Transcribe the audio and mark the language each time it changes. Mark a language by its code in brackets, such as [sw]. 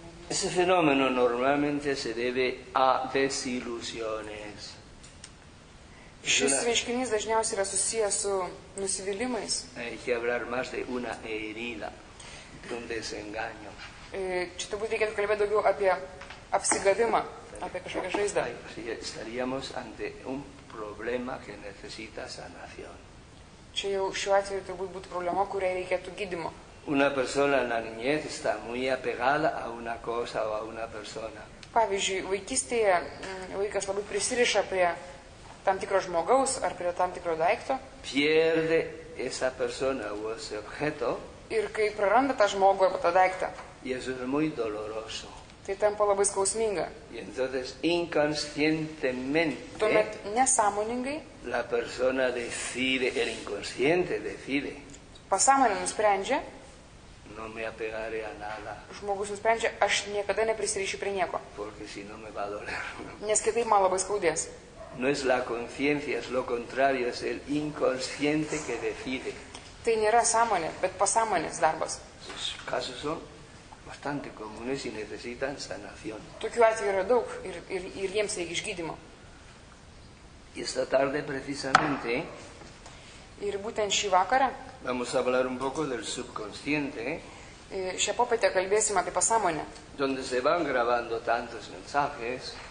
[es] Ese fenómeno normalmente se debe a desilusiones. [lt] Šis reiškinys dažniausiai yra susijęs su nusivylimais. [es] Hay que hablar más de una herida, de un desengaño. [lt] Čia turbūt reikėtų kalbėti daugiau apie apsigavimą, apie kažkokią žaizdą. [es] Estaríamos ante un problema que necesita sanación. [lt] Čia jau šiuo atveju turbūt būtų problema, kuriai reikėtų gydymo. [es] Una persona en la niñez está muy apegada a una cosa o a una persona. [lt] Pavyzdžiui, vaikystėje vaikas labai prisiriša prie tam tikro žmogaus ar prie tam tikro daikto. [es] Pierde esa persona o ese objeto. [lt] Ir kai praranda tą žmogų arba tą daiktą. [es] Y eso es muy doloroso. [lt] Tai tampa labai skausminga. [es] Y entonces inconscientemente. [lt] Tuomet nesąmoningai. [es] La persona decide, el inconsciente decide. [lt] Pasąmonė nusprendžia. [es] No me apegaré a nada. [lt] Žmogus nusprendžia, aš niekada neprisirišiu prie nieko. [es] Porque si no me va a doler. [lt] Nes kitaip man labai skaudės. [es] No es la conciencia, es lo contrario, es el inconsciente que decide. [lt] Tai nėra sąmonė, bet pasąmonės darbas. [es] Sus casos son bastante comunes y necesitan sanación. [lt] Tokių atvejų yra daug ir jiems reikia išgydymo. [es] Y esta tarde precisamente [lt] Ir būtent šį vakarą. [es] Vamos a hablar un poco del subconsciente. [lt] Šią popietę kalbėsim apie pasąmonę. [es] Donde se van grabando tantos mensajes.